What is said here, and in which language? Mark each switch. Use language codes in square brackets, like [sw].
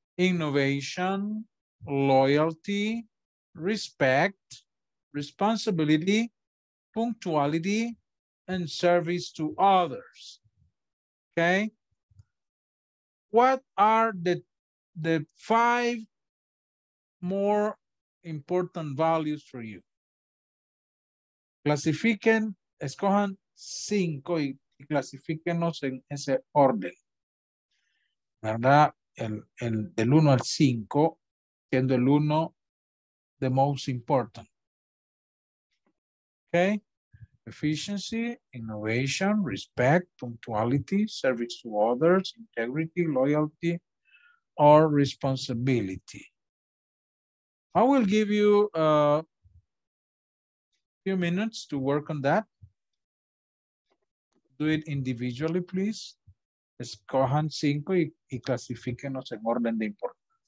[en] innovation, loyalty, respect, responsibility, punctuality, and service to others. Okay. What are the five more important values for you? [es] Clasifiquen, escojan cinco y clasifiquenos en ese orden. ¿Verdad? El del uno al cinco, siendo el uno [en] the most important. [es] Okay. [en] Efficiency, innovation, respect, punctuality, service to others, integrity, loyalty, or responsibility. I will give you a few minutes to work on that. Do it individually, please. [es] Escojan cinco y clasifíquenos en orden de importancia.